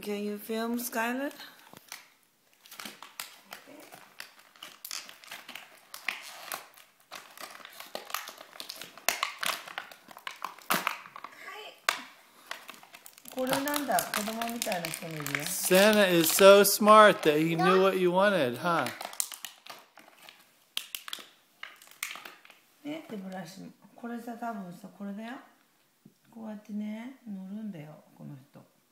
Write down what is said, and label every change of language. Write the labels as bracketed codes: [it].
[en] Can you film Skyler? [ja] これなんだ、子供みたいな人もいるよ。 [en] Santa is so smart that he knew what you wanted, huh? [ja] ね、手ブラシ。これさ、多分さ、これだよ。こうやってね、乗るんだよ、この人。